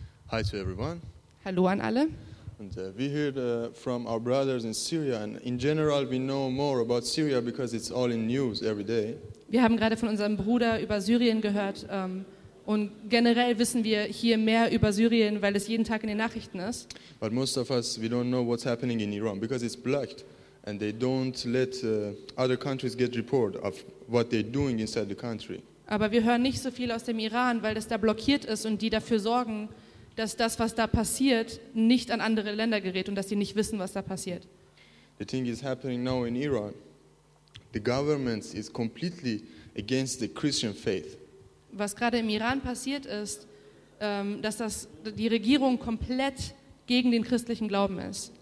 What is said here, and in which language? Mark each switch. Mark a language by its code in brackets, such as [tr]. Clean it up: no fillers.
[en] Hi to everyone. [de] Hallo an alle. [en] And we heard from our brothers in Syria, and in general we know more about Syria because it's all in news every day. [de] Wir haben gerade von unserem Bruder über Syrien gehört und generell wissen wir hier mehr über Syrien, weil es jeden Tag in den Nachrichten ist. [en] But most of us, we don't know what's happening in Iran because it's blocked and they don't let other countries get report of what they're doing inside the country. [de] Aber wir hören nicht so viel aus dem Iran, weil das da blockiert ist und die dafür sorgen, dass das, was da passiert, nicht an andere Länder gerät und dass sie nicht wissen, was da passiert. [en] The thing is happening now in Iran. The government is completely against the Christian faith. [de] Was gerade im Iran passiert ist, dass das die Regierung komplett gegen den christlichen Glauben ist.